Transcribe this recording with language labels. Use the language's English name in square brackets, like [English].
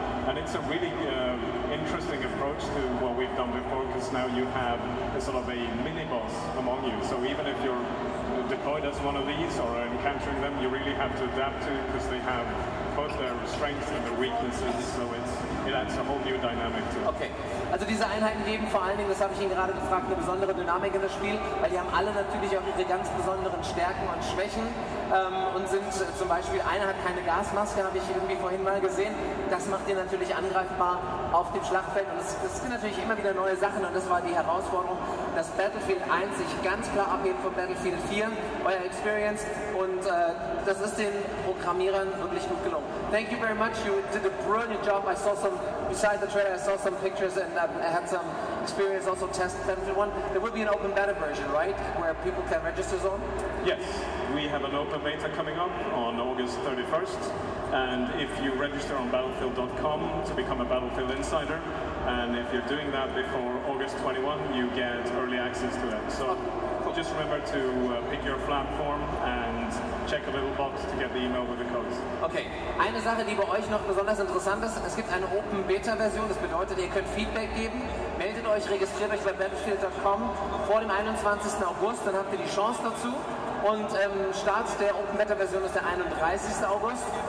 [English] And it's a really interesting approach to what we've done before, because now you have a sort of a mini-boss among you. So even if you're deployed as one of these or encountering them, you really have to adapt to it, because they have both their strengths and their weaknesses. So it adds a whole new dynamic to it. Okay. [German] Also diese Einheiten geben vor allen Dingen, das habe ich Ihnen gerade gefragt, eine besondere Dynamik in das Spiel, weil die haben alle natürlich auch ihre ganz besonderen Stärken und Schwächen und sind zum Beispiel, einer hat keine Gasmaske, habe ich irgendwie vorhin mal gesehen, das macht ihn natürlich angreifbar auf dem Schlachtfeld, und das sind natürlich immer wieder neue Sachen, und das war die Herausforderung, dass Battlefield 1 sich ganz klar abhebt von Battlefield 4, euer Experience, und das ist den Programmierern wirklich gut gelungen. [English] Thank you very much, you did a brilliant job. I saw some, beside the trailer, I saw some pictures and I had some experience also test Battlefield 1. There will be an open beta version, right? Where people can register on? Yes, we have an open beta coming up on August 31st. And if you register on battlefield.com to become a Battlefield Insider, and if you're doing that before August 21, you get early access to it. So just remember to pick your flat form and check a little box to get the email with the codes. [German] Okay, eine Sache, die bei euch noch besonders interessant ist, es gibt eine Open Beta Version, das bedeutet, ihr könnt Feedback geben, meldet euch, registriert euch bei battlefield.com vor dem 21. August, dann habt ihr die Chance dazu. Und Start der Open Beta Version ist der 31. August.